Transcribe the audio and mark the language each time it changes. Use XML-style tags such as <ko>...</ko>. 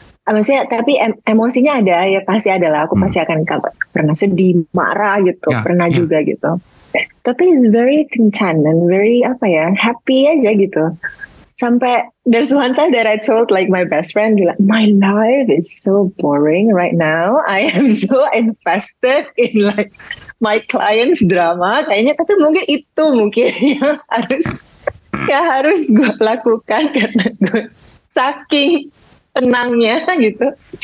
<id>Maksudnya, tapi emosinya ada, ya pasti ada lah. Aku pasti akan pernah sedih, marah gitu, juga gitu.</id> <en>Tapi it's very content and very apa ya, happy aja gitu. Sampai there's one time that I told like my best friend, like, my life is so boring right now. I am so invested in like my client's drama.</en> <id>Kayaknya tapi mungkin itu mungkin yang harus gue lakukan karena gue saking tenangnya gitu.</id>